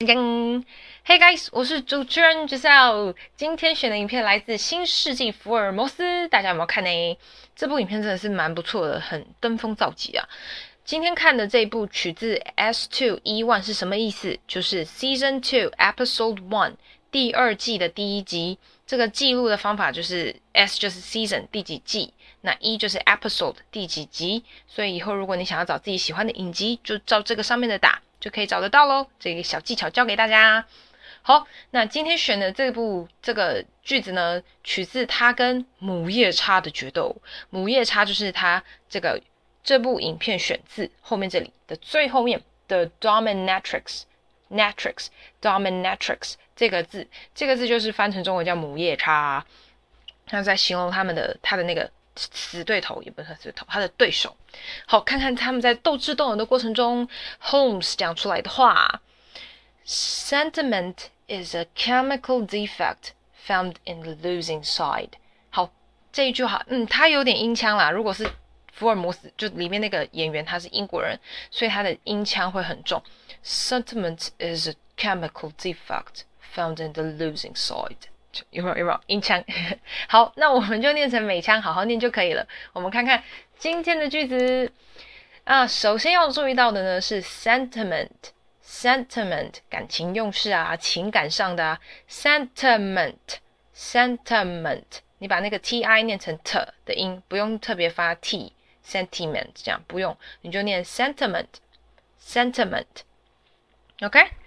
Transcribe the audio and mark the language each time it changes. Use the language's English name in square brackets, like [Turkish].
[English] Hey guys， [Chinese] 我是主持人 Giselle。今天选的影片来自《新世纪福尔摩斯》，大家有没有看呢？这部影片真的是蛮不错的，很登峰造极啊！今天看的这部取自 S2E1 是什么意思？就是 [English] Season Two Episode One [Chinese] 第二季的第一集。这个记录的方法就是 S 就是 Season 第几季，那 E 就是 Episode 第几集。所以以后如果你想要找自己喜欢的影集，就照这个上面的打。就可以找得到喽，这个小技巧教给大家。好，那今天选的这个句子呢，取自他跟母夜叉的决斗。母夜叉就是他这部影片选自后面这里的最后面的 dominatrix 这个字就是翻成中文叫母夜叉，他在形容他的那个死对头，也不是死对头，他的对手。好，看看他们在斗智斗勇的过程中，Holmes 讲出来的话： [English] “Sentiment is a chemical defect found in the losing side。 [Chinese] ”好，这一句话，他有点音腔啦。如果是福尔摩斯，就里面那个演员，他是英国人，所以他的音腔会很重。 [English] Sentiment is a chemical defect found in the losing side。 [Chinese] 有没有音腔？好，那我们就念成美腔，好好念就可以了。我们看看今天的句子啊，首先要注意到的呢是 sentiment，感情用事啊，情感上的啊，sentiment，你把那个 ti 念成 t 的音，不用特别发 t，sentiment 这样不用，你就念 sentiment，OK？